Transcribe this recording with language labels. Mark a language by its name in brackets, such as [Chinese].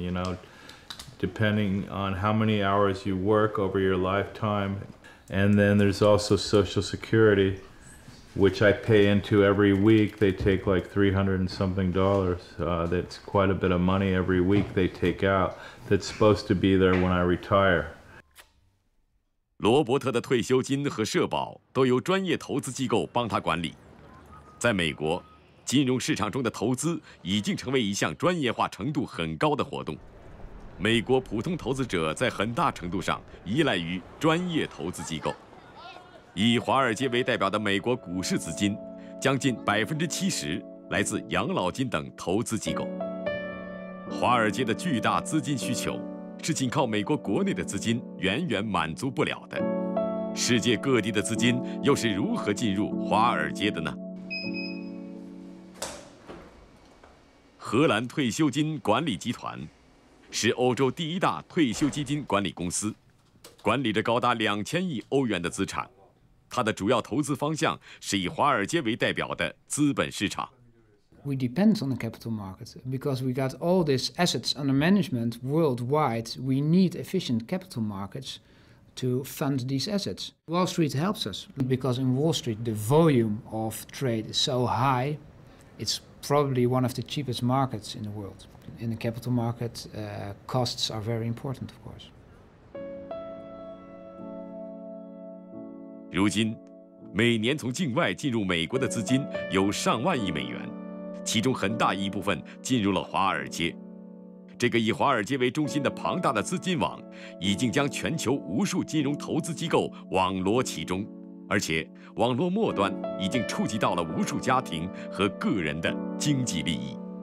[English] You know, depending on how many hours you work over your lifetime, and then there's also Social Security, which I pay into every week. They take like $300 and something. That's quite a bit of money every week they take out. That's supposed to be there when I retire. [Chinese] 罗伯特的退休金和社保都由专业投资机构帮他管理。在美国，金融市场中的投资已经成为一项专业化程度很高的活动。美国普通投资者在很大程度上依赖于专业投资机构。以华尔街为代表的美国股市资金，将近70%来自养老金等投资机构。华尔街的巨大资金需求是仅靠美国国内的资金远远满足不了的。世界各地的资金又是如何进入华尔街的呢？荷兰退休金管理集团是欧洲第一大退休基金管理公司，管理着高达2000亿欧元的资产。它的主要投资方向是以华尔街为代表的资本市场。 [English] We depend on the capital markets because we got all these assets under management worldwide. We need efficient capital markets to fund these assets. Wall Street helps us because in Wall Street the volume of trade is so high, it's probably one of the cheapest markets in the world. In the capital market, costs are very important, of course. [Chinese] 如今，每年从境外进入美国的资金有上万亿美元。其中很大一部分进入了华尔街，这个以华尔街为中心的庞大的资金网已经将全球无数金融投资机构网罗其中，而且网络末端已经触及到了无数家庭和个人的经济利益。